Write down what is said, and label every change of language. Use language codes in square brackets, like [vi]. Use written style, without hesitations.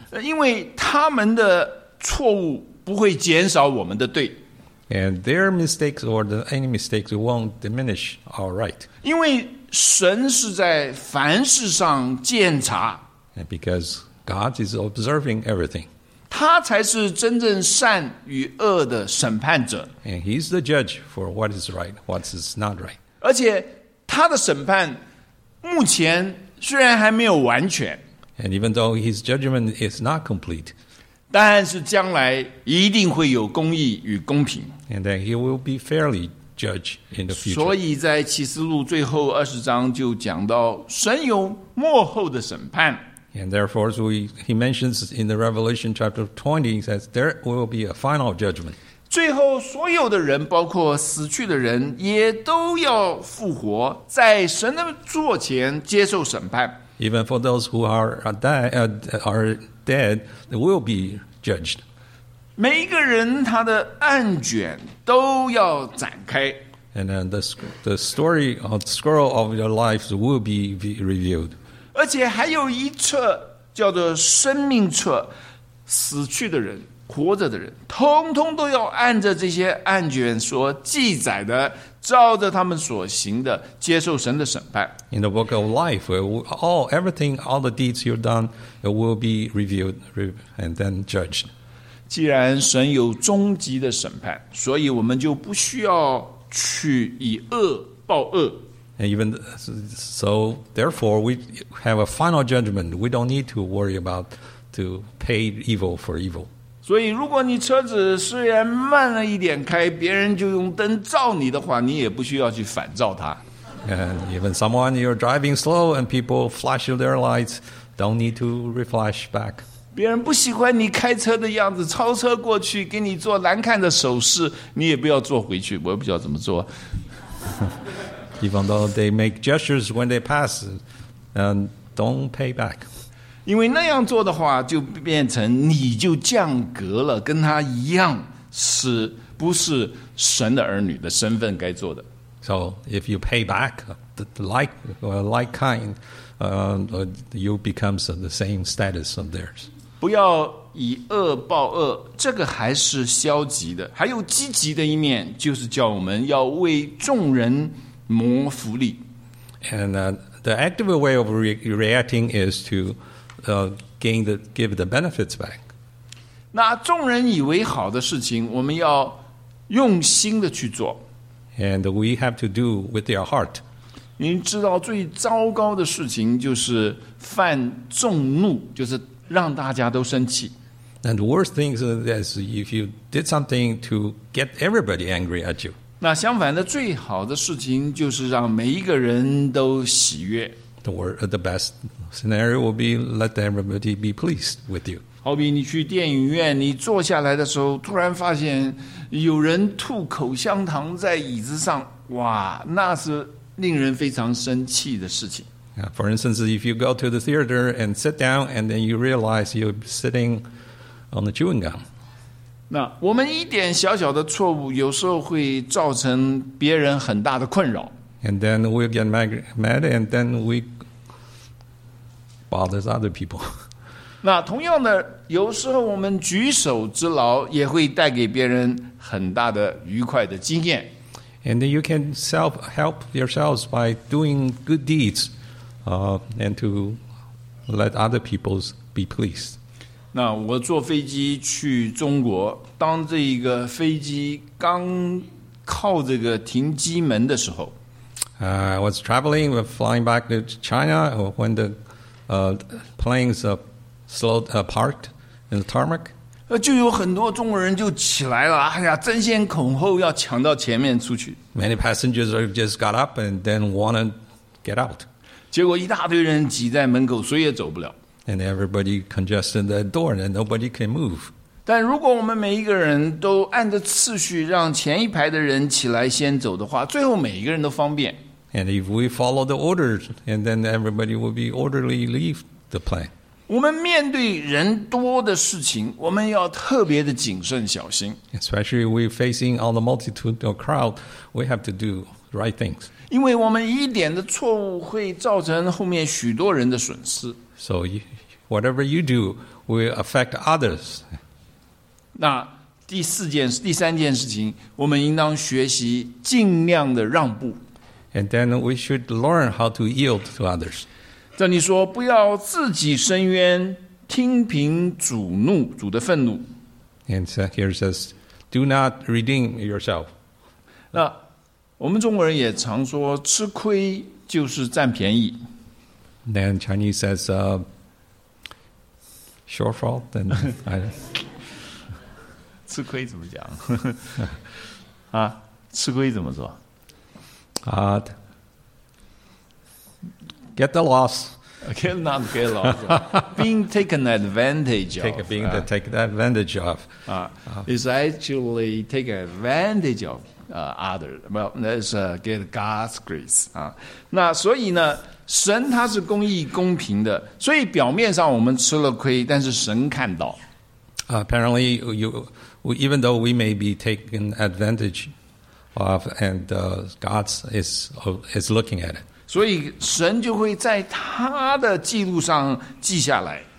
[zh] 因为他们的错误不会减少我们的对。 [en] And their mistakes or any mistakes won't diminish our right. [zh] 因为神是在凡事上鉴察。 [en] And because God is observing everything. [zh] 他才是真正善与恶的审判者。 [en] And he's the judge for what is right, what is not right. [zh] 而且他的审判目前虽然还没有完全。 [en] And even though his judgment is not complete, [zh] 但是将来一定会有公义与公平。 [en] And then he will be fairly judged in the future. [zh] 所以在启示录最后二十章就讲到神有末后的审判。 [en] And therefore, he mentions in the Revelation chapter 20, he says there will be a final judgment. [zh] 最后所有的人，包括死去的人，也都要复活，在神的座前接受审判。 [en] Even for those who are dead, they will be judged. [zh] 每一个人他的案卷都要展开。 [en] And then the story of the scroll of your lives will be revealed. [zh] 而且还有一册叫做生命册，死去的人、活着的人，通通都要按着这些案卷所记载的，照着他们所行的，接受神的审判。 [en] In the book of life, all the deeds you've done, it will be reviewed and then judged. [zh] 既然神有终极的审判，所以我们就不需要去以恶报恶。 [en] And even so, therefore, we have a final judgment. We don't need to worry about to pay evil for evil. [zh] 所以如果你车子虽然慢了一点开，别人就用灯照你的话，你也不需要去反照它。 [en] And even someone you're driving slow and people flash their lights, don't need to reflash back. [zh] 别人不喜欢你开车的样子，超车过去给你做难看的手势，你也不要坐回去，我也不知道怎么做。 [en] Even though they make gestures when they pass, and don't pay back. [zh] 因为那样做的话就变成你就降格了，跟他一样是不是神的儿女的身份该做的。 [en] So if you pay back like kind, you become the same status of theirs. [zh] 不要以恶报恶，这个还是消极的。还有积极的一面，就是叫我们要为众人谋福利。 [en] And the active way of reacting is toGive the benefits back. [zh] 那众人以为好的事情，我们要用心的去做。 [en] And we have to do with their heart. [zh] 您知道最糟糕的事情就是犯众怒，就是让大家都生气。 [en] And the worst thing is that if you did something to get everybody angry at you. [zh] 那相反的，最好的事情就是让每一个人都喜悦。 [en] The best scenario will be let everybody be pleased with you. [zh] 好比你去电影院，你坐下来的时候，突然发现有人吐口香糖在椅子上，哇，那是令人非常生气的事情。 [en] Yeah, for instance, if you go to the theater and sit down, and then you realize you're sitting on the chewing gum. [zh] 那我们一点小小的错误，有时候会造成别人很大的困扰。 [en] And then we get mad, and then we bother other people. [zh] 那同样的，有时候我们举手之劳也会带给别人很大的愉快的经验。 [en] And then you can help yourselves by doing good deeds, and to let other people be pleased. [zh] 那我坐飞机去中国，当这一个飞机刚靠这个停机门的时候 [en] I was traveling, we're flying back to China when the planes slowed apart in the tarmac. [zh] 就有很多中国人就起来了，哎呀，争先恐后要抢到前面出去。 [en] Many passengers just got up and then wanted to get out. [zh] 结果一大堆人挤在门口，谁也走不了。 [en] And everybody congested the door and nobody can move. [zh] 但如果我们每一个人都按着次序让前一排的人起来先走的话，最后每一个人都方便。 [en] And if we follow the orders, and then everybody will be orderly leave the plane. [zh] 我们面对人多的事情，我们要特别的谨慎小心。 [en] Especially we facing all the multitude or crowd, we have to do right things. [zh] 因为我们一点的错误会造成后面许多人的损失。 [en] So whatever you do will affect others. [zh] 那第四件第三件事情我们应当学习尽量的让步 [en] And then we should learn how to yield to others [zh] 这里说不要自己伸冤听凭主怒主的愤怒 [en] And so here it says do not redeem yourself [zh] 那我们中国人也常说吃亏就是占便宜 [en] Then Chinese says shortfall then I [zh] 吃亏怎么讲？啊，吃亏怎么说？ [en] 啊、get the loss. Okay, not get loss. being taken advantage of. Take, being the, take the advantage of. Is actually take advantage of other. Well, that's get God's grace. [zh] 啊、那所以呢，神他是公义公平的，所以表面上我们吃了亏，但是神看到。 [en] Apparently, you. Even though we may be taken advantage of, and God is looking at it. [zh] 所以神就会在他的记录上记下来。